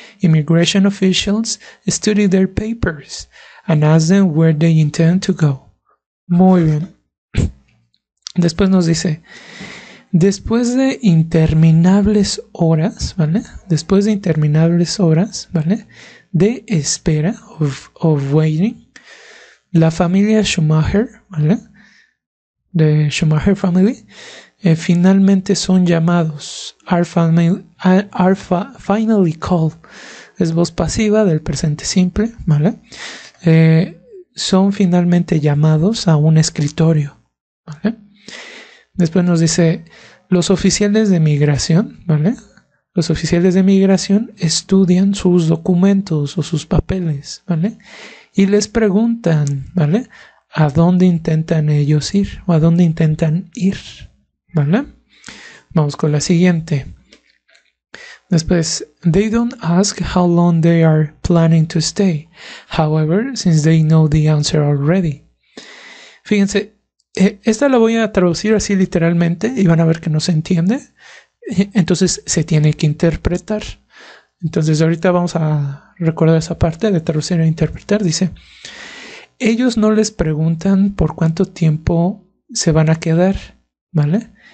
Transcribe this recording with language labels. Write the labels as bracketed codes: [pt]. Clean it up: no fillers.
[en] Immigration officials study their papers and ask them where they intend to go. [es] Muy bien. Después nos dice, después de interminables horas, ¿vale? Después de interminables horas, ¿vale? De espera, [en] of waiting, [es] la familia Schumacher, ¿vale? [en] The Schumacher family, [es] finalmente son llamados, [en] finally called, [es] es voz pasiva del presente simple, ¿vale? Son finalmente llamados a un escritorio, ¿vale? Después nos dice, los oficiales de migración, ¿vale? Los oficiales de migración estudian sus documentos o sus papeles, ¿vale? Y les preguntan, ¿vale? ¿A dónde intentan ellos ir? ¿O a dónde intentan ir? ¿Vale? Vamos con la siguiente. Después, [en] they don't ask how long they are planning to stay. However, since they know the answer already. [es] Fíjense, esta la voy a traducir así literalmente y van a ver que no se entiende. Entonces se tiene que interpretar. Entonces ahorita vamos a recordar esa parte de traducir e interpretar. Dice, ellos no les preguntan por cuánto tiempo se van a quedar, ¿vale?